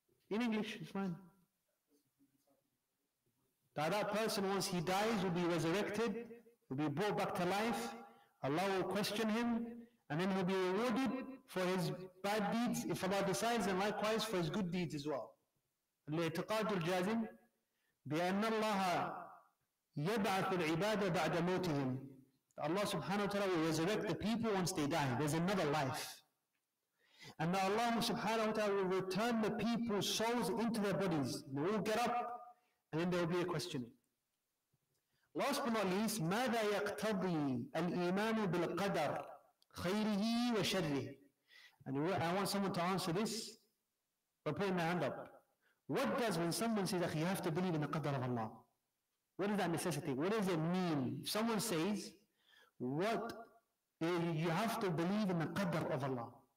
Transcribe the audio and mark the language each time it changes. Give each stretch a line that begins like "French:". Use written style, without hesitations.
English: In English, it's fine. That person, once he dies, will be resurrected, will be brought back to life, Allah will question him, and then he'll be rewarded for his bad deeds, if Allah decides, and likewise for his good deeds as well.
Arabic: الاعتقاد الجازم بأن الله يبعث العبادة بعد موتهم.
English: Allah subhanahu wa ta'ala will resurrect the people once they die. There's another life. And that Allah subhanahu wa ta'ala will return the people's souls into their bodies. They will get up, and then there will be a questioning. Last but not least,
Arabic: ماذا يقتضي الإيمان بالقدر خيره وشره.
English: I want someone to answer this by putting their hand up. What does, when someone says, you have to believe in the Qadr of Allah, what does that necessitate? What does it mean? If someone says, you have to believe in the Qadr of Allah.